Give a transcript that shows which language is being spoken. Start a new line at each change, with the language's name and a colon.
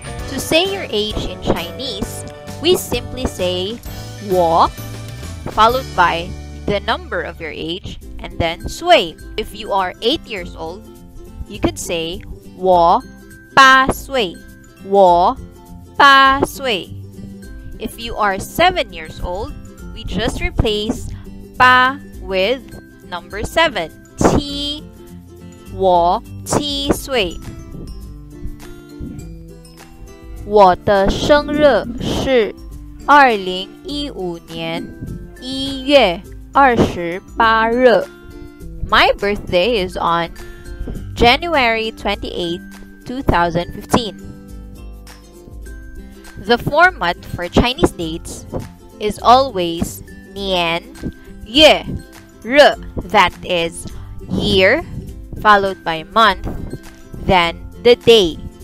English: To say your age in Chinese, we simply say 我 followed by the number of your age and then 岁. If you are 8 years old, you could say
Chinese: 我八岁我八岁
English: If you are 7 years old, we just replace 八 with number 7.
Chinese: 七我七岁我的生日是2015年1月28日
English: My birthday is on January 28, 2015. The format for Chinese dates is always 年, 月, 日, that is year, followed by month, then the day.